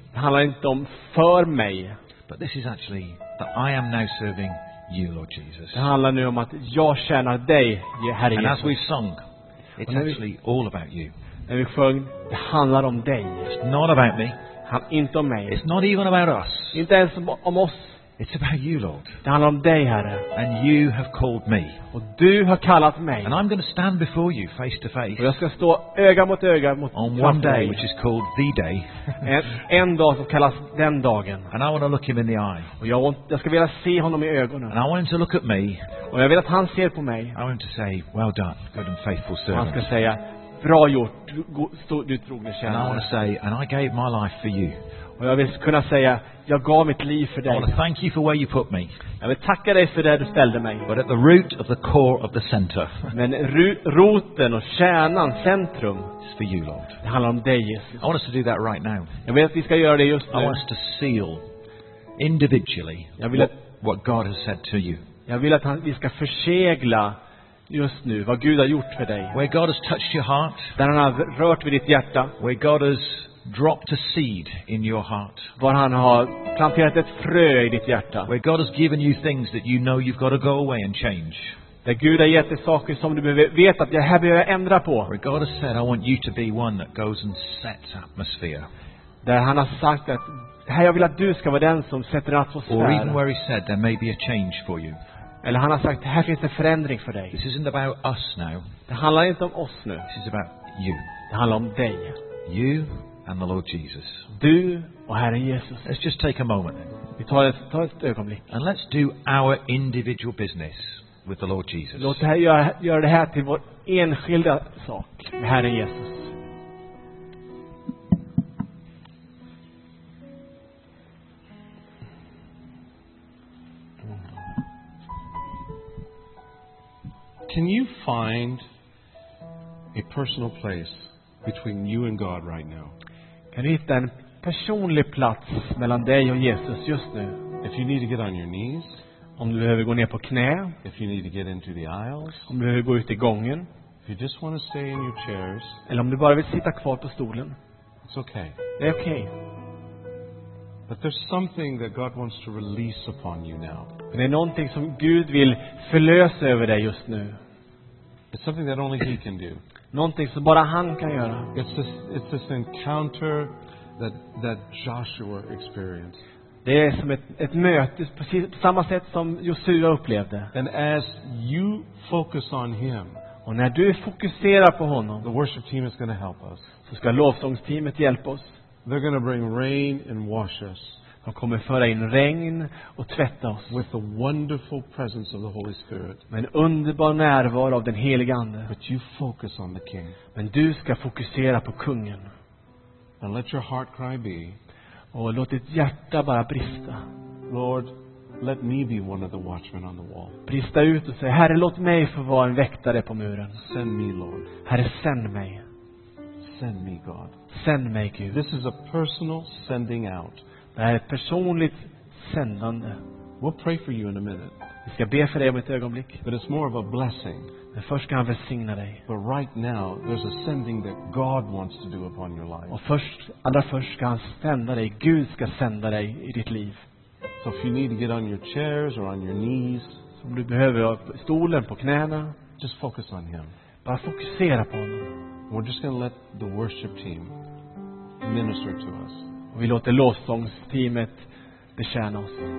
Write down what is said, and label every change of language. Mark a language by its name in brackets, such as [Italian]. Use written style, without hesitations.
[Swedish] Det handlar inte om för mig. [English] But this is actually that I am now serving you, Lord Jesus. [Swedish] Det handlar nu om att jag tjänar dig, Herre [English] Jesus. And as we sung, it's actually all about you. [Swedish] När vi sjöng, det handlar om dig. [English] It's not about me. [Swedish] Inte om mig. [English] It's not even about us. [Swedish] Inte ens om oss. [English] It's about you, Lord. [Swedish] Det handlar om dig, Herre. [English] And you have called me. [Swedish] Och du har kallat mig. [English] And I'm going to stand before you face to face. [Swedish] Och jag ska stå öga mot öga mot [English] on one day, which is called the day. [Swedish] En dag som kallas den dagen. [English] And I want to look him in the eye. [Swedish] Och jag ska vilja se honom i ögonen. [English] And I want him to look at me. [Swedish] Och jag vill att han ser på mig. [English] I want him to say, well done, good and faithful servant. [Swedish] Han ska säga, bra gjort, du trogne tjänare. [English] And I want to say, and I gave my life for you. [Swedish] Och jag vill kunna säga, jag gav mitt liv för dig. [English] I want to thank you for where you put me. [Swedish] Jag vill tacka dig för där du ställde mig. [English] But at the root of the core of the center. [Swedish] Men roten och kärnan, centrum. [English] It's for you, Lord. [Swedish] Det handlar om dig, Jesus. [English] I want us to do that right now. [Swedish] Jag vill att vi ska göra det just nu. [English] I want us to seal individually what God has said to you. [Swedish] Jag vill att vi ska försegla just nu vad Gud har gjort för dig. [English] Where God has touched your heart. [Swedish] Där han har rört vid ditt hjärta. [English] Where God has dropped a seed in your heart. [Swedish] Var han har planterat ett frö i ditt hjärta. [English] Where God has given you things that you know you've got to go away and change. [Swedish] Där Gud har gett dig saker som du vet att jag här behöver ändra på. [English] Where God has said, I want you to be one that goes and sets atmosphere. [Swedish] Där han har sagt att här jag vill att du ska vara den som sätter atmosfär. [English] Or even where he said there may be a change for you. [Swedish] Eller han har sagt här finns en förändring för dig. [English] This isn't about us now. [Swedish] Det handlar inte om oss nu. [English] This is about you. [Swedish] Det handlar om dig. [English] You and the Lord Jesus. [Swedish] Du och Herren Jesus. [English] Let's just take a moment. [Swedish] Vi tar ett ögonblick. [English] And let's do our individual business with the Lord Jesus. [Swedish] Låt oss göra det här till vår enskilda sak med Herren Jesus. [English] Can you find a personal place between you and God right now? [Swedish] Kan du hitta en personlig plats mellan dig och Jesus just nu? [English] If you need to get on your knees, [Swedish] om du behöver gå ner på knä, [English] if you need to get into the aisles, [Swedish] om du behöver gå ut i gången, [English] if you just want to stay in your chairs, [Swedish] eller om du bara vill sitta kvar på stolen, [English] it's okay. [Swedish] Det är okej. [English] But there's something that God wants to release upon you now. [Swedish] Men det är någonting som Gud vill förlösa över dig just nu. [English] It's something that only He can do. [Swedish] Någonting som bara han kan göra. [English] It's this encounter that Joshua experienced. [Swedish] Det är som ett möte precis på samma sätt som Josua upplevde. [English] And as you focus on Him. [Swedish] Och när du fokuserar på honom. [English] The worship team is going to help us. [Swedish] Så ska lovsångsteamet hjälpa oss. [English] They're going to bring rain and wash us. [Swedish] De kommer föra in regn och tvätta oss. [English] With the wonderful presence of the Holy Spirit. [Swedish] Med en underbar närvaro av den helige Ande. [English] But you focus on the King. [Swedish] Men du ska fokusera på kungen. [English] And let your heart cry be. [Swedish] Och låt ditt hjärta bara brista. [English] Lord, let me be one of the watchmen on the wall. [Swedish] Brista ut och säg, Herre, låt mig få vara en väktare på muren. [English] Send me, Lord. [Swedish] Herre, sänd mig. [English] Send me, God. Send me, Gud. This is a personal sending out. [Swedish] Det är ett personligt sändande. [English] We'll pray for you in a minute. [Swedish] Vi ska be för dig om ett ögonblick. [English] But it's more of a blessing. [Swedish] Men först ska han välsigna dig. [English] But right now, there's a sending that God wants to do upon your life. [Swedish] Och allra först ska han sända dig. Gud ska sända dig i ditt liv. [English] So if you need to get on your chairs or on your knees, [Swedish] om du behöver stolen på knäna, [English] just focus on Him. [Swedish] Bara fokusera på honom. [English] We're just going to let the worship team minister to us. [Swedish] Vi låter lovsångsteamet betjäna oss.